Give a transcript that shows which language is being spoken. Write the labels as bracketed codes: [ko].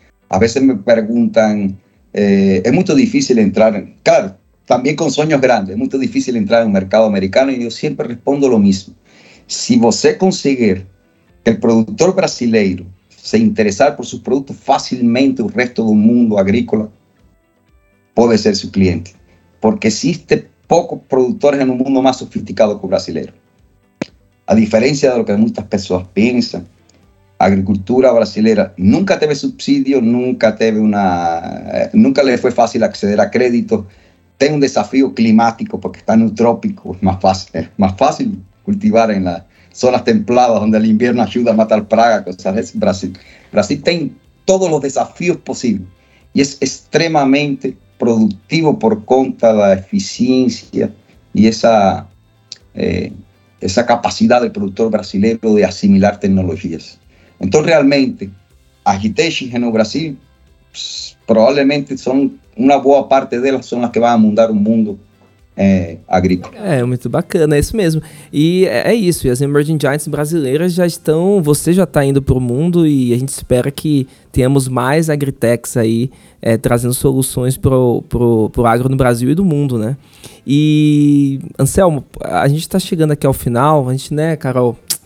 [pt] Às vezes me perguntam, é muito difícil entrar, claro, também com sonhos grandes, é muito difícil entrar no mercado americano e eu sempre respondo o mesmo. Se você conseguir que o produtor brasileiro se interessar por seus produtos, facilmente o resto do mundo agrícola pode ser seu cliente. [es] Porque existe pocos productores en un mundo más sofisticado que el brasileño. A diferencia de lo que muchas personas piensan, agricultura brasileña nunca tuvo subsidio, nunca le fue fácil acceder a crédito, tiene un desafío climático porque está en un trópico, es más fácil cultivar en las zonas templadas donde el invierno ayuda a matar praga, cosas así. Brasil tiene todos los desafíos posibles y es extremadamente productivo por conta de la eficiencia y esa capacidad del productor brasileño de asimilar tecnologías. Entonces realmente, agitechis en el Brasil probablemente son una buena parte de ellas son las que van a mudar un mundo agrícola. [pt] É muito bacana, é isso mesmo. E é isso, e as Emerging Giants brasileiras já estão, você já está indo para o mundo e a gente espera que tenhamos mais agritechs aí trazendo soluções pro agro no Brasil e do mundo, né? E, Anselmo, a gente está chegando aqui ao final, a gente, né, Carol?